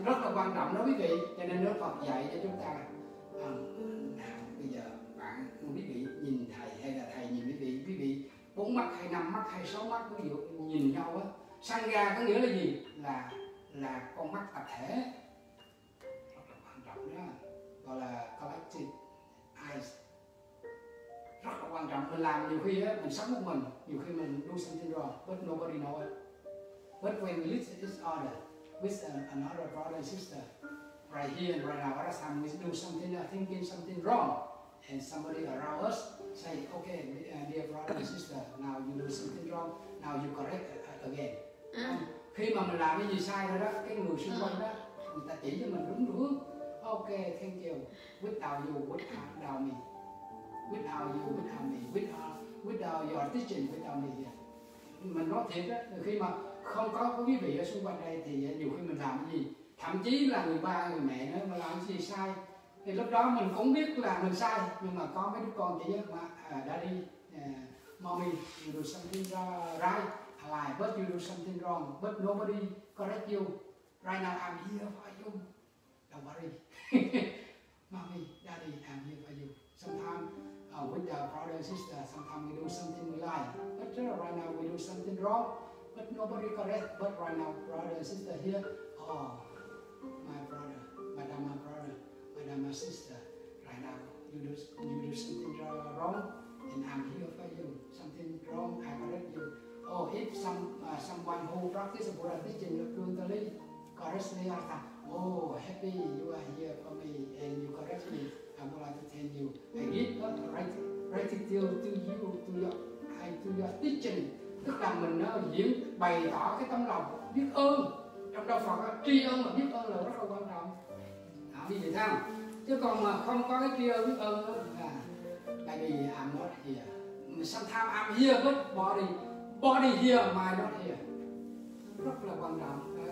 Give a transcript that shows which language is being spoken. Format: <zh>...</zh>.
<vi>Rất là quan trọng đó quý vị. Cho nên Đức Phật dạy cho chúng ta nào bây giờ bạn, quý vị nhìn thầy hay là thầy nhìn quý vị bốn mắt hay năm mắt hay sáu mắt quý vị nhìn nhau á, sangha có nghĩa là gì? Là con mắt tập thể, rất là quan trọng đó, gọi là</vi> <en>collective eyes,</en> <vi>rất là quan trọng. Mình làm nhiều khi á, mình sống một mình, nhiều khi mình</vi> <en>do something wrong but nobody know it, but when we listen to each other with another brother and sister right here and right now, at the time we do something, thinking something wrong, and somebody around us say, okay, dear brother and sister, now you do something wrong, now you correct again.</en> <vi>Khi mà mình làm cái gì sai rồi đó, cái người xung quanh đó, người ta chỉ cho mình đúng hướng.</vi> <en>Okay, thank you. Without you, without me. Without you, without me. Without your teaching, without me.</en> <vi>Mình nói thiệt đó, khi mà không có quý vị ở xung quanh đây thì nhiều khi mình làm cái gì, thậm chí là người ba, người mẹ nữa mà làm cái gì sai, thì lúc đó mình cũng biết là mình sai, nhưng mà có mấy đứa con chỉ nhớ</vi> <en>Daddy, Mommy, you do something right. Like, but you do something wrong, but nobody correct you. Right now, I'm here for you. Don't worry. Mommy, Daddy, I'm here for you. Sometimes, with the brother and sister, sometimes we do something we like. But right now, we do something wrong, but nobody correct. But right now, brother and sister here, my brother, madam, my brother, madam, my sister, right now, you do something wrong, and I'm here for you. Something wrong, I correct you. Oh, if someone who practices a Buddha teaching brutally corrects me, happy you are here for me and you correct me. I would like to thank you. I give gratitude to you, to your teaching.</en> <vi>Tức là mình diễn bày tỏ cái tấm lòng biết ơn. Trong đạo Phật tri ơn và biết ơn là rất là quan trọng. Đó, vì vậy sao? Chứ còn mà không có cái tri ơn biết ơn là tại vì</vi> <en>I'm not here. Sometimes I'm here but body. Body here, mind not here.</en> <vi>Rất là quan trọng.</vi>